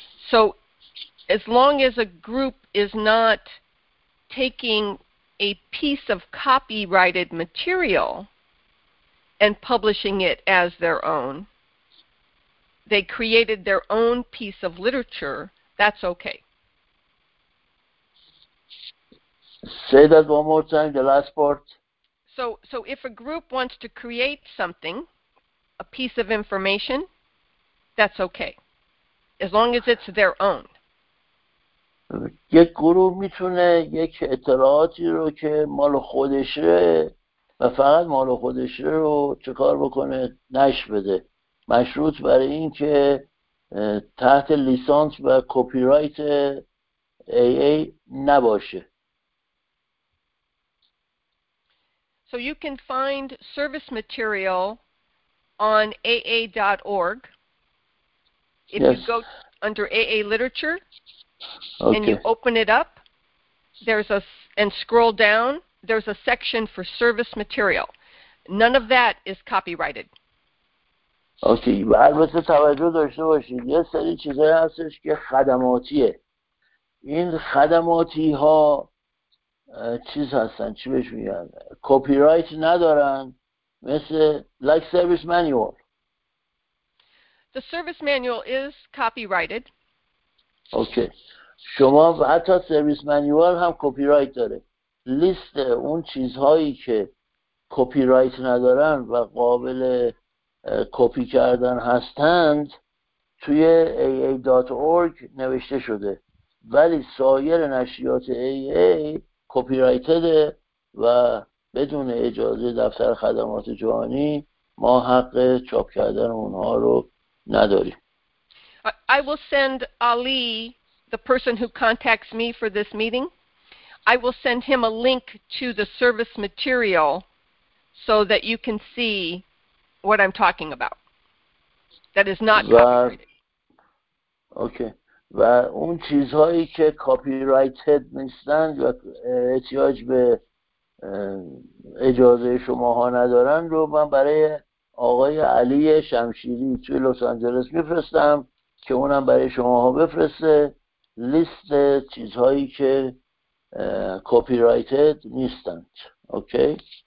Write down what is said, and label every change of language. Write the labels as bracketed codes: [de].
[en] So as long as a group is not taking a piece of copyrighted material and publishing it as their own, they created their own piece of literature, that's okay. Say that one more time, the last part. So if a group wants to create something, a piece of information, that's okay, as long as it's their own. [fa] یک گروه میتونه یک اطلاعاتی رو که مال خودشه و فقط مال خودشه رو چکار بکنه، نشر بده، مشروط برای این که تحت لیسانس و کپی رایت AA نباشه. [en] So you can find service material on AA.org. If yes. you go under AA literature okay. and you open it up, there's a and scroll down, there's a section for service material. None of that is copyrighted. [fa] Okay, باید بسه توجه داشته باشید. یه سری چیزایی هستش که خدماتیه. این خدماتی ها چیز هستن، چی بهش میگن، کپی رایت ندارن، مثل [en] like service manual. The service manual is copyrighted. [fa] اوکی، شما حتی سرویس مانیوال هم کپی رایت داره. لیست اون چیزهایی که کپی رایت ندارن و قابل کپی کردن هستند توی aa.org نوشته شده، ولی سایر نشریات AA کپی رایتد و بدون اجازه دفتر خدمات جهانی ما حق چاپ کردن اونها رو نداریم. [en] I will send Ali, the person who contacts me for this meeting, I will send him a link to the service material so that you can see what I'm talking about. That is not copyrighted. Okay. [fa] و اون چیزهایی که کپی رایتد نیستند و احتیاج به اجازه شماها ندارن رو من برای آقای علی شمشیری توی لس آنجلس میفرستم که اونم برای شماها بفرسته لیست چیزهایی که کپی رایتد نیستند. اوکی؟